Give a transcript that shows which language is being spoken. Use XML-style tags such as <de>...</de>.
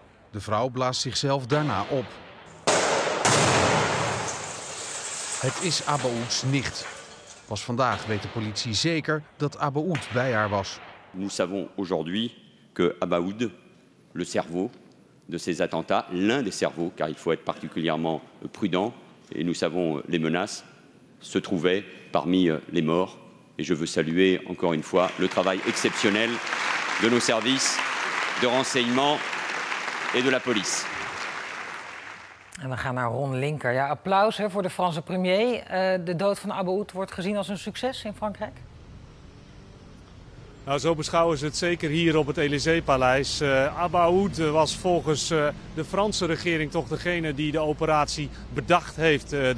<nl>De vrouw blaast zichzelf daarna op. Het is Abaouds nicht. Pas vandaag weet de politie zeker dat Abaoud bij haar was.</nl> <fr>Nous savons aujourd'hui que Abaoud, le cerveau de ces attentats, l'un des cerveaux, car il faut être particulièrement prudent, et nous savons les menaces, se trouvait parmi les morts. Et je veux saluer encore une fois le travail exceptionnel de nos services de renseignement et de la police.</fr> <nl>En we gaan naar Ron Linker. Ja, applaus hè, voor de Franse premier. De dood van Abaoud wordt gezien als een succes in Frankrijk. Nou, zo beschouwen ze het zeker hier op het Élysée-paleis. Abaoud was volgens de Franse regering toch degene die de operatie bedacht heeft.</nl>